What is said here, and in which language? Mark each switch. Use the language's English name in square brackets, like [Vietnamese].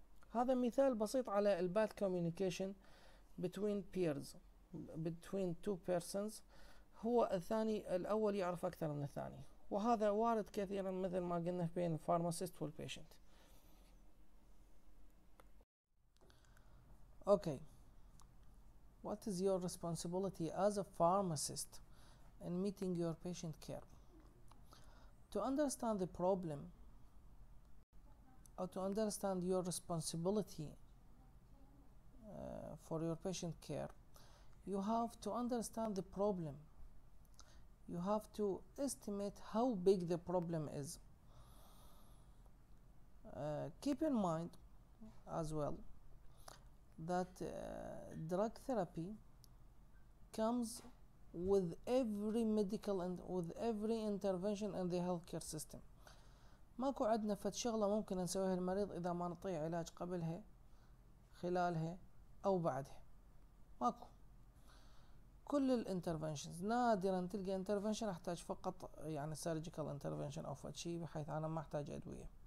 [Arabic] هذا مثال بسيط على الباد كوميونيكيشن بتوين بيرز، بتوين تو بيرسونز، هو الثاني الاول يعرف اكثر من الثاني، وهذا وارد كثيرا مثل ما قلنا بين الفارماسيست والبيشنت. [English] Okay, what is your responsibility as a pharmacist in meeting your patient care to understand the problem or to understand your responsibility for your patient care, you have to understand the problem. you have to estimate how big the problem is. Keep in mind as well that drug therapy comes with every medical and with every intervention in the healthcare system. [Arabic] ماكو عندنا فد شغلة ممكن نسويها المريض إذا ما نعطيه علاج قبلها خلالها أو بعدها. ماكو. كل ال interventions نادرا تلقى intervention أحتاج فقط يعني surgical intervention أو فد شيء بحيث أنا ما أحتاج أدوية.